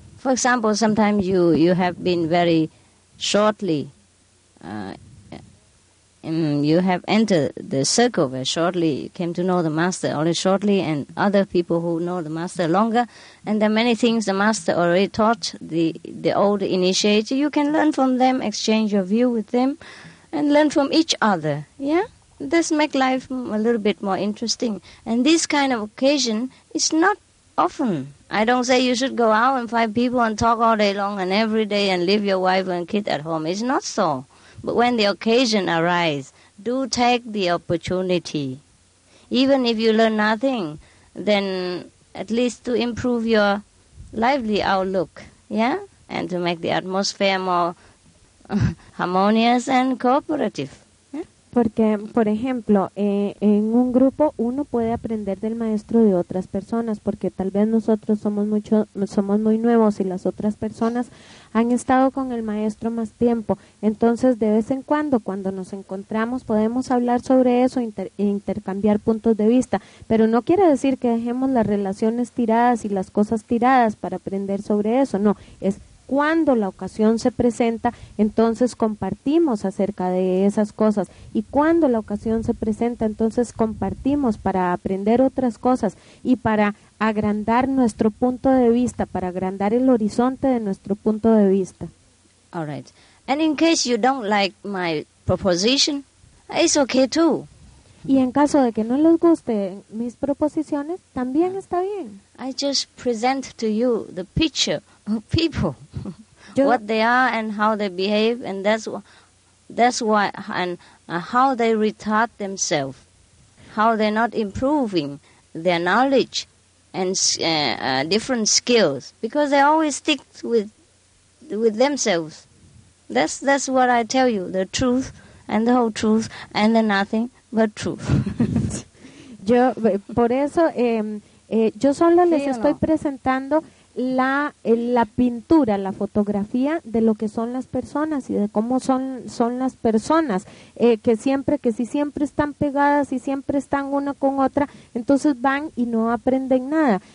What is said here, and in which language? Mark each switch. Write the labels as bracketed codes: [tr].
[en] For example, sometimes you have been very shortly, you have entered the circle where shortly you came to know the master only shortly, and other people who know the master longer, and there are many things the master already taught the old initiate. You can learn from them, exchange your view with them, and learn from each other. Yeah, this make life a little bit more interesting. And this kind of occasion is not often. I don't say you should go out and find people and talk all day long and every day and leave your wife and kid at home. It's not so. But when the occasion arises, do take the opportunity. Even if you learn nothing, then at least to improve your lively outlook, yeah? And to make the atmosphere more harmonious and cooperative. [es] Porque, por ejemplo, en un grupo uno puede aprender del maestro de otras personas, porque tal vez nosotros somos muy nuevos y las otras personas han estado con el maestro más tiempo. Entonces, de vez en cuando nos encontramos, podemos hablar sobre eso e intercambiar puntos de vista. Pero no quiere decir que dejemos las relaciones tiradas y las cosas tiradas para aprender sobre eso. No, es cuando la ocasión se presenta, entonces compartimos acerca de esas cosas. Y cuando la ocasión se presenta, entonces compartimos para aprender otras cosas y para agrandar nuestro punto de vista, para agrandar el horizonte de nuestro punto de vista. [en] All right. And in case you don't like my proposition, it's okay too. [es] Y en caso de que no les guste mis proposiciones, también está bien. [en] I just present to you the picture people. Yo, what they are and how they behave, and that's why and how they retard themselves, how they're not improving their knowledge and different skills, because they always stick with themselves. That's what I tell you, the truth and the whole truth and the nothing but truth. [es] Yo, por eso, yo solo les estoy presentando la pintura, la fotografía de lo que son las personas y de cómo son las personas, que siempre están pegadas y siempre están una con otra, entonces van y no aprenden nada.